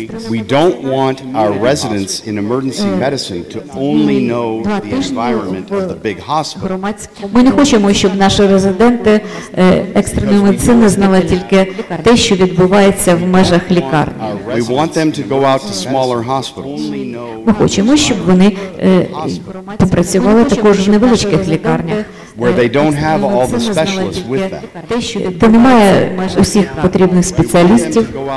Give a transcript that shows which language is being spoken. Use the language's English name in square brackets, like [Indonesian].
[English] We don't want our residents in emergency medicine to only know the environment of the big hospital. [Ukrainian] Ми не хочемо, щоб наші резиденти екстреної медицини знали тільки те, що відбувається в межах лікарні. [English] We want them to go out to smaller hospitals. [Ukrainian] Ми хочемо, щоб вони попрацювали також в невеличких лікарнях. [English] Where they don't have all the specialists with them. [Ukrainian] Де немає усіх потрібних спеціалістів.